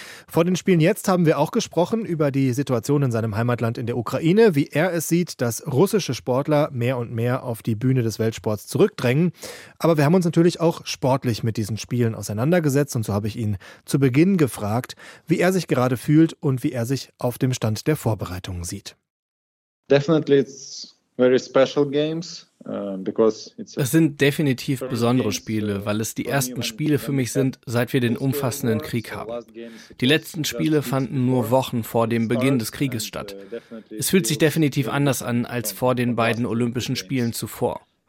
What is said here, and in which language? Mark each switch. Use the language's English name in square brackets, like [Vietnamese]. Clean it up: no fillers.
[German] Vor den Spielen jetzt haben wir auch gesprochen über die Situation in seinem Heimatland in der Ukraine, wie er es sieht, dass russische Sportler mehr und mehr auf die Bühne des Weltsports zurückdrängen. Aber wir haben uns natürlich auch sportlich mit diesen Spielen auseinandergesetzt und so habe ich ihn zu Beginn gefragt, wie er sich gerade fühlt und wie er sich auf dem Stand der Vorbereitungen sieht. [English] Definitely it's very special games. [German] Es sind definitiv besondere Spiele, weil es die ersten Spiele für mich sind, seit wir den umfassenden Krieg haben. Die letzten Spiele fanden nur Wochen vor dem Beginn des Krieges statt. Es fühlt sich definitiv anders an als vor den beiden Olympischen Spielen zuvor.